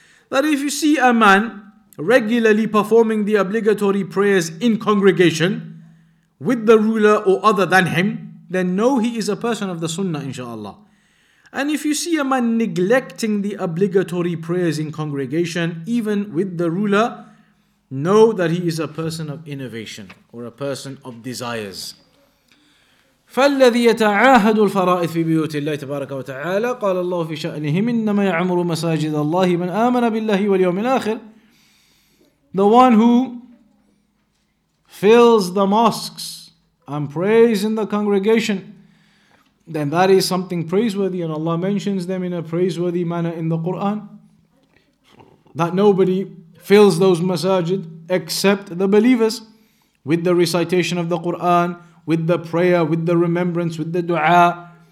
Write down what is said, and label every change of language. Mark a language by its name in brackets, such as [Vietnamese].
[English] That if you see a man regularly performing the obligatory prayers in congregation with the ruler or other than him, then know he is a person of the sunnah, inshaAllah. And if you see a man neglecting the obligatory prayers in congregation, even with the ruler, know that he is a person of innovation or a person of desires. [Arabic] فالذي يتعاهد الفرائض في بيوت الله تبارك وتعالى قال الله في شأنهم إنما يعمر مساجد الله من آمن بالله واليوم الآخر. [English] The one who fills the mosques and prays in the congregation, then that is something praiseworthy, and Allah mentions them in a praiseworthy manner in the Quran, that nobody fills those masajid except the believers with the recitation of the Quran, with the prayer, with the remembrance, with the dua.